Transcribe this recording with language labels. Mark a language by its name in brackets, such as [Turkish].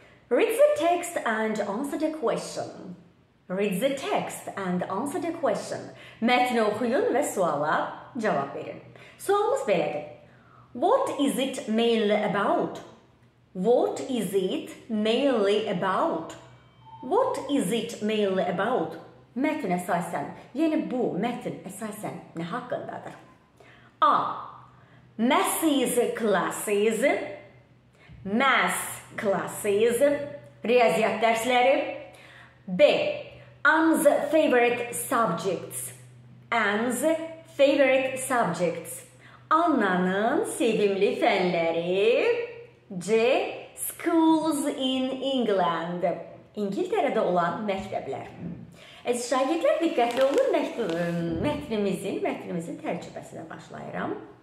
[English] Read the text and answer the question. Read the text and answer the question. [Azerbaijani] Mətni oxuyun və suala cavab verin. Sualımız belədir. [English] What is it mainly about? What is it mainly about? What is it mainly about? [Azerbaijani] Mətn əsasən, yəni bu mətn əsasən nə haqqındadır? [English] A. Maths classes. Maths classes. [Azerbaijani] Riyaziyyat dərsləri. [English] B. Anne's favorite subjects. Anne's favorite subjects. [Azerbaijani] Annanın sevimli fənləri. C. [English] Schools in England. [Azerbaijani] İngiltərədə olan məktəblər. Əziz şagirdlər, diqqətli olun, mətnimizin tərcüməsinə başlayıram.